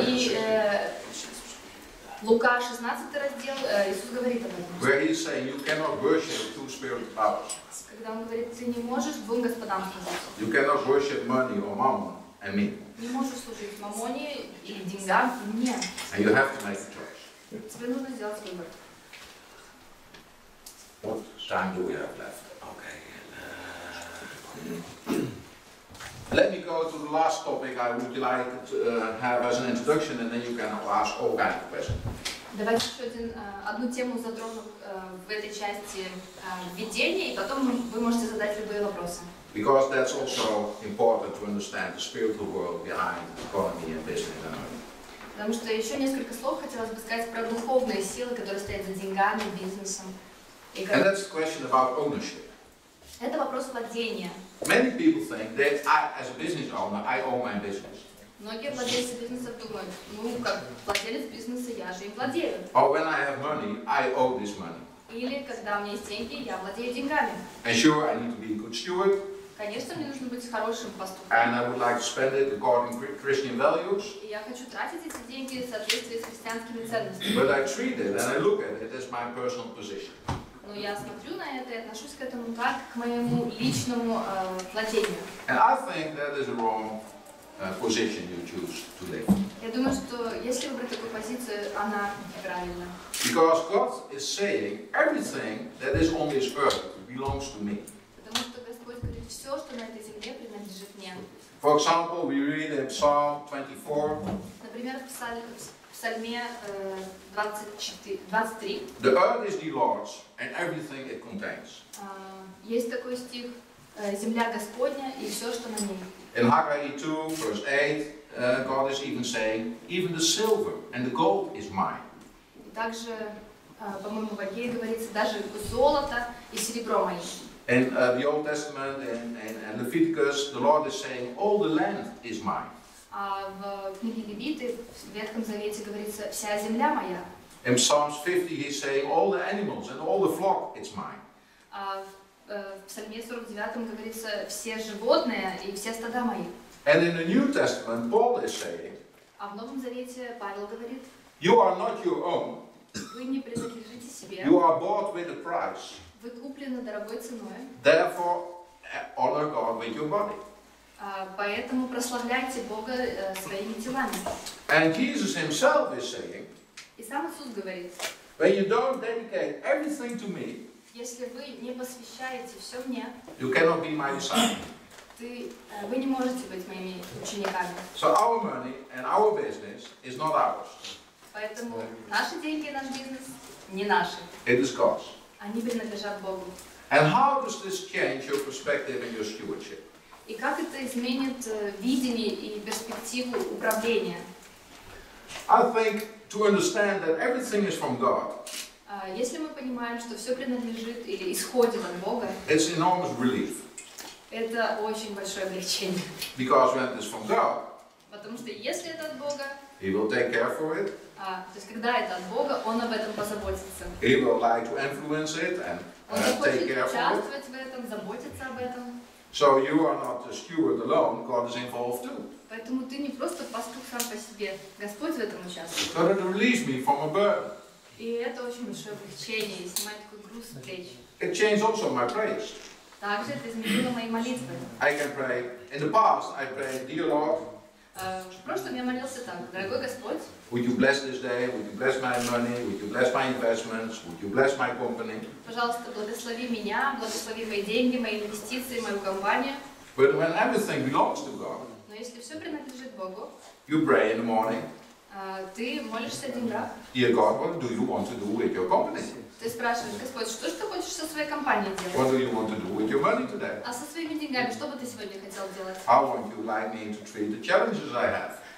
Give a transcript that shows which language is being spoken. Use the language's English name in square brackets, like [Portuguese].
[Russian] И Лука 16 раздел, Иисус говорит об этом. [English] Where he is saying, you cannot worship two spirit powers. [Russian] Когда он говорит, ты не можешь двум господам служить. [English] You cannot worship money or mammon and me. [Russian] Не можешь служить мамоне или деньгам и мне. [English] And you have to make a choice. [Russian] Тебе нужно сделать выбор. [English] What time do we have left? Okay. Let me go to the last topic I would like to have as an introduction, and then you can ask all kinds of questions. [Russian] Давайте еще одну тему затронем в этой части введения, и потом вы можете задать любые вопросы. [English] Because that's also important to understand the spiritual world behind economy and business and money. [Russian] Потому что еще несколько слов хотелось бы сказать про духовные силы, которые стоят за деньгами, бизнесом. [English] And that's the question about ownership. [Russian] Это вопрос владения. [English] Many people think that I, as a business owner, I own my business. [Russian] Многие владельцы бизнеса думают, как владелец бизнеса, я же им владею. [English] Or when I have money, I owe this money. [Russian] Или когда у меня есть деньги, я владею деньгами. [English] And sure, I need to be a good steward. [Russian] Конечно, мне нужно быть хорошим поступком. [English] And I would like to spend it according to Christian values. [Russian] И я хочу тратить эти деньги в соответствии с христианскими ценностями. [English] But I treat it and I look at it as my personal position. [Russian] Но я смотрю на это и отношусь к этому как к моему личному владению. [English] And I think that is wrong. Position you choose to live. [Russian] Я думаю, что если выбрать такую позицию, кажется, она правильна. [English] Because God is saying everything that is on this earth belongs to me. [Russian] Потому что Господь говорит, все, что на этой земле, принадлежит мне. [English] For example, we read in Psalm 24. [Russian] Например, в Псалме 23. [English] The earth is the Lord's and everything it contains. [Russian] Есть такой стих: земля Господня и все, что на ней. [English] In Haggai 2, verse 8, God is even saying, even the silver and the gold is mine. [Russian] Также, по-моему, в Агее говорится, даже золото и серебро мои. [English] In the Old Testament and Leviticus, the Lord is saying, all the land is mine. [Russian] А в книге Левиты, в Ветхом Завете говорится, вся земля моя. [English] In Psalms 50, he's saying, all the animals and all the flock is mine. [Russian] В Псалме 49 говорится, все животные и все стада мои. [English] And in the New Testament, Paul is saying, [Russian] а в Новом Завете Павел говорит, [English] you are not your own. [Russian] Вы не принадлежите себе. [English] You are bought with a price. [Russian] Вы куплены дорогой ценой. [English] Therefore, honor God with your body. [Russian] Поэтому прославляйте Бога своими телами. [English] And Jesus himself is saying, [Russian] и сам Иисус говорит, [English] when you don't dedicate everything to me, [Russian] если вы не посвящаете все мне, [English] you cannot be my disciple. [Russian] Вы не можете быть моими учениками. [English] So our money and our business is not ours. [Russian] Поэтому наши деньги и наш бизнес не наши. [English] It is God's. [Russian] Они принадлежат Богу. [English] And how does this change your perspective and your stewardship? [Russian] И как это изменит видение и перспективу управления? [English] I think to understand that everything is from God. [Russian] Если мы понимаем, что все принадлежит или исходит от Бога, [English] it's an enormous relief. [Russian] Это очень большое облегчение. [English] Because when it is from God, [Russian] потому что если это от Бога, [English] he will take care for it. [Russian] То есть когда это от Бога, он об этом позаботится. [English] He will like to influence it and take care for it. [Russian] Он захочет участвовать в этом, заботиться об этом. [English] So you are not the steward alone. God is involved too. [Russian] Поэтому ты не просто пастух сам по себе. Господь в этом участвует. [English] So that it relieves me from a burden. [Russian] И это очень большое облегчение, снимает такой груз с плеч. [English] It changed also my praise. [Russian] Также это изменило мои молитвы. [English] I can pray. In the past, I prayed, dear Lord. [Russian] В прошлом я молился так: дорогой Господь. [English] Would you bless this day? Would you bless my money? Would you bless my investments? Would you bless my company? [Russian] Пожалуйста, благослови меня, благослови мои деньги, мои инвестиции, мою компанию. [English] But when everything belongs to God. [Russian] Но если все принадлежит Богу. [English] You pray in the morning. [Russian] Ты молишься один раз. [English] Dear God, what do you want to do with your company? [Russian] Ты спрашиваешь, Господь, что же ты хочешь со своей компанией делать? [English] What do you want to do with your money today? [Russian] А со своими деньгами, что бы ты сегодня хотел делать? [English] How would you like me to treat the challenges I have?